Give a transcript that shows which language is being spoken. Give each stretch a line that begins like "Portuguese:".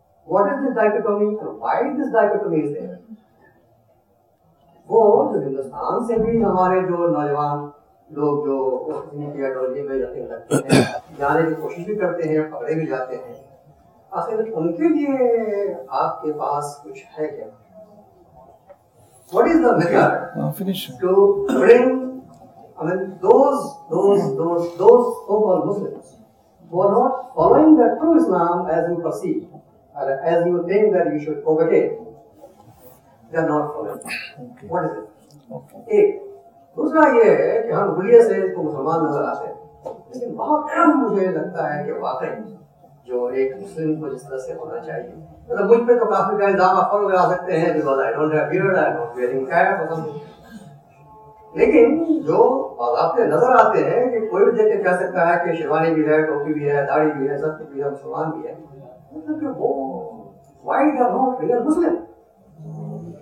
English: What is this dichotomy and why this dichotomy is there?
Hindi: वो जो हिंदुस्तान से भी हमारे जो नौजवान लोग जो आइडियोलॉजी में यकीन रखते हैं, जाने की कोशिश भी करते हैं, पकड़े भी जाते हैं, आखिर उनके लिए आपके पास कुछ है क्या?
English: What is the method to bring, I mean, those so-called Muslims who are not following the true Islam as you perceive, or as you think that you should overtake, they are not following. Okay. What is it? Okay.
Hindi: दूसरा ये है कि हम गुलिये से तो मुसलमान नजर आते हैं, लेकिन बहुत कम मुझे लगता है कि वाकई जो एक मुस्लिम को जिस तरह से होना चाहिए, मतलब मुझ पे तो काफी का इल्जाम आप फॉलो करा सकते हैं, लेकिन जो आपके नजर आते हैं कि कोई भी देख के कह सकता है कि शेरवानी भी है, टोपी भी है, दाढ़ी भी है, सब कुछ भी है, मुसलमान भी है, मुस्लिम